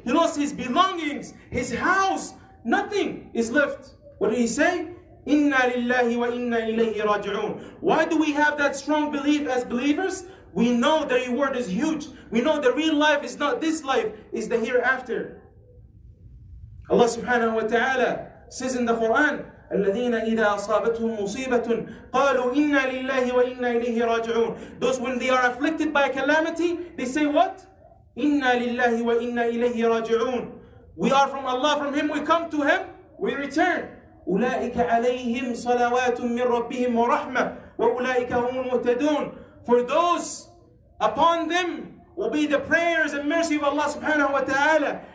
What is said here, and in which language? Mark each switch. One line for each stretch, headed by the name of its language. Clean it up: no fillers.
English: He lost his belongings, his house. Nothing is left. What did he say? Inna lillahi wa inna ilayhi raji'un. Why do we have that strong belief as believers? We know the reward is huge. We know the real life is not this life, it's the hereafter. Allah subhanahu wa ta'ala says in the Quran,
Arabic: الَّذِينَ إِذَا أَصَابَتْهُمْ مُصِيبَةٌ قَالُوا إِنَّا لِلَّهِ وَإِنَّا إِلَيْهِ رَاجِعُونَ.
English: Those when they are afflicted by calamity, they say what?
Arabic: إِنَّا لِلَّهِ وَإِنَّا إِلَيْهِ رَاجِعُونَ.
English: We are from Allah, from Him we come, to Him we return.
Arabic: أُولَٰئِكَ عَلَيْهِمْ صَلَوَاتٌ مِّن رَبِّهِمْ وَرَحْمَةٌ وَأُولَٰئِكَ هُمُ الْمُهْتَدُونَ.
English: For those upon them will be the prayers and mercy of Allah subhanahu wa ta'ala.